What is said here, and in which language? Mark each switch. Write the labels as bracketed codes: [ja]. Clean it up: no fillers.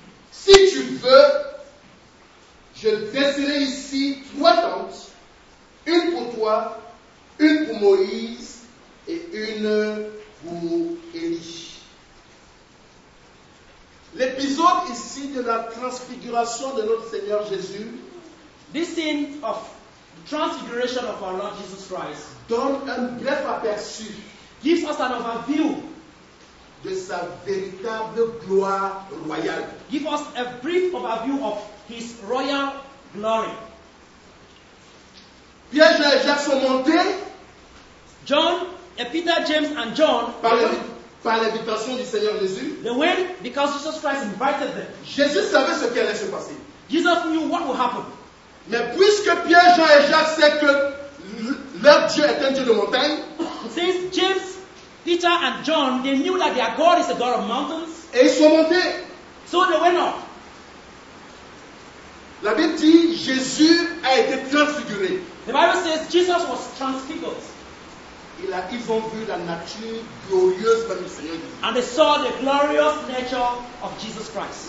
[fr] Si tu veux, je dresserai ici 3 tentes, une pour toi, une pour Moïse et une pour Élie. » L'épisode ici de la transfiguration de notre Seigneur Jésus, [en] this scene of the transfiguration of our Lord Jesus Christ, [fr] donne un bref aperçu, [en] gives us an overview, [fr] de sa véritable gloire royale, [en] gives us a brief overview of his royal glory. [fr] Pierre, Jean et Jacques sont montés. [en] John, et Peter, James and John, [fr] par l'invitation du Seigneur Jésus, [en] they went because Jesus Christ invited them. [fr] Jésus savait ce qui allait se passer. [en] Jesus knew what would happen. [fr] Mais puisque Pierre, Jean et Jacques savent que leur Dieu est un Dieu de montagne, [en] since James, Peter and John, they knew that their God is a God of mountains, [fr] et ils sont montés. [en] So they went up. [fr] La Bible dit, Jésus a été transfiguré. [en] The Bible says Jesus was transfigured. [fr] Ils ont vu la nature glorieuse du Seigneur Jésus. [en] And they saw the glorious nature of Jesus Christ.